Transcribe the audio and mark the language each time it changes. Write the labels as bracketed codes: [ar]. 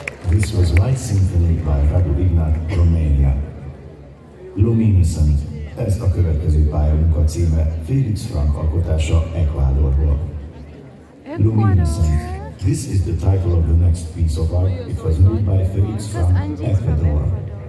[en] This was my symphony by Radu Ignat Romania. [hu] Luminescent, ez a következő pályamunka címe, Felix Frank alkotása Ecuadorból. [en] Luminescent, this is the title of the next piece of art. It was made by Felix Frank, Ecuador.